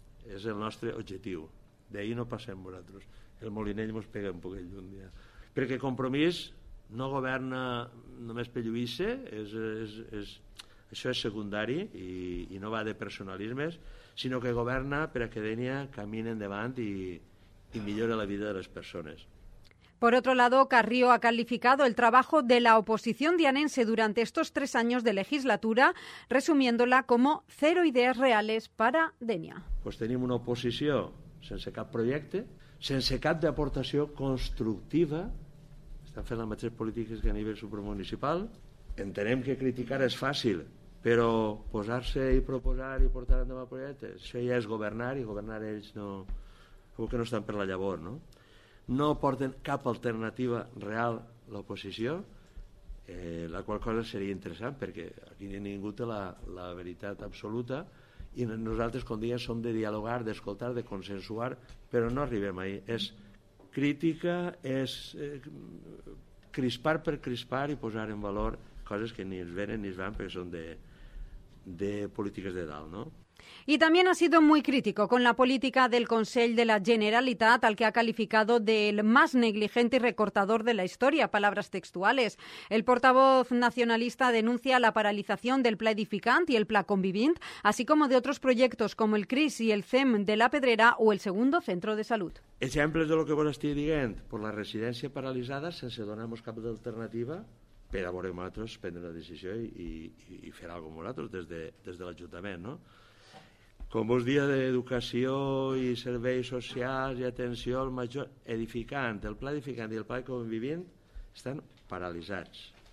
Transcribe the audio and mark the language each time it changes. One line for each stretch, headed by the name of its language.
Catalan: És el nostre objectiu. D'ahir no passem vosaltres. El Molinell mos pega un poquet lluny. Ja. Perquè Compromís no governa només per lluir-se, això és secundari i no va de personalismes, sinó que governa per a que Denia camini endavant i millora la vida de les persones.
Spanish: Por otro lado, Carrió ha calificado el trabajo de la oposición dianense durante estos 3 años de legislatura, resumiéndola como 0 idees reales para Denia.
Catalan: Pues tenim una oposició sense cap projecte, sense cap d'aportació constructiva. Estan fent les mateixes polítiques que a nivell supramunicipal. Entenem que criticar és fàcil, però posar-se i proposar i portar endavant projectes, això ja és governar, i governar ells no, segur que no estan per la llavor. No, no porten cap alternativa real a l'oposició, la qual cosa seria interessant, perquè aquí ningú té la veritat absoluta, i nosaltres, com deia, som de dialogar, d'escoltar, de consensuar, però no arribem ahir. És crítica és crispar per crispar i posar en valor coses que ni es venen ni es van perquè són de polítiques de dalt, no?
Spanish: Y también ha sido muy crítico con la política del Consell de la Generalitat, al que ha calificado del más negligente y recortador de la historia, palabras textuales. El portavoz nacionalista denuncia la paralización del Pla Edificant y el Pla Convivint, así como de otros proyectos como el CRIS y el CEM de la Pedrera o el segundo centro de salud. Ejemplos de lo que vos estoy diciendo, por la residencia paralizada,
Catalan: sense donar-nos cap d'alternativa, per a veure amb nosaltres prendre una decisió i fer algo amb nosaltres des de l'Ajuntament, no? Com vos dia d'educació i serveis socials i atenció al major edificant, el pla edificant i el pla de convivint estan paralitzats.